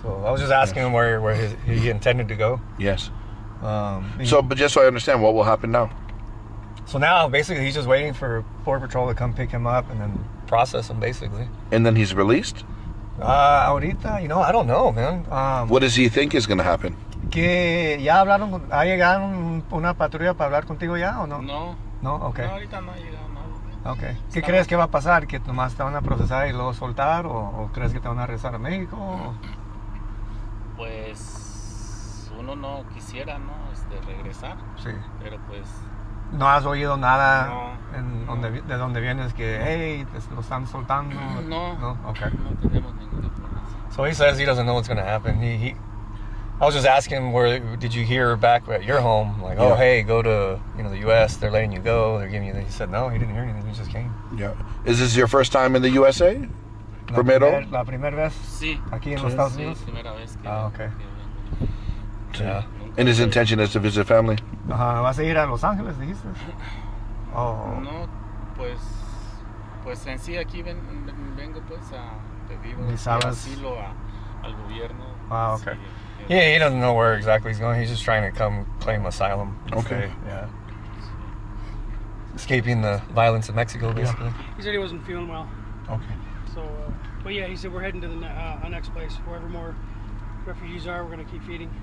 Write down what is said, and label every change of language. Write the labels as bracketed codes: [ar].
[en] So I was just asking yes. him where he intended to go. Yes. But just so I understand, what will happen now? So now, basically, he's just waiting for Border Patrol to come pick him up and then process him, basically. And then he's released? Ahorita, you know, I don't know, man. What does he think is going to happen? [es] Que ya hablaron, ha llegado una patrulla para hablar contigo ya, o no? No. [en] No, okay. [es] No, ahorita no ha llegado nada. Okay. ¿Qué crees que va a pasar? ¿Que nomás te van a procesar y luego soltar? ¿O crees que te van a regresar a México? Pues, uno no quisiera, ¿no? Regresar. Sí. Pero pues... ¿No has oído nada no. De dónde vienes que, hey, te lo están soltando? No. No, okay. No tenemos ninguna información. [en] So he says he doesn't know what's going to happen. I was just asking, where did you hear back at your home? Like, yeah. Oh, hey, go to, you know, the U.S. They're letting you go. They're giving you... He said, no, he didn't hear anything. He just came. Yeah. Is this your first time in the U.S.A.? [es] Primero? La primera vez? Sí. Aquí en los Estados Unidos? Sí, primera vez. [en] Oh, okay. Yeah. And his intention is to visit family? [es] ¿Vas a ir a Los Ángeles, dijiste? Oh. No, pues en sí, aquí vengo, pues, a pedir asilo al gobierno. [en] Ah, okay. Yeah, he doesn't know where exactly he's going. He's just trying to come claim asylum. Okay. Yeah. Escaping the violence of Mexico, basically. Yeah. He said he wasn't feeling well. Okay. So, but yeah, he said we're heading to the next place. Wherever more refugees are, we're going to keep feeding.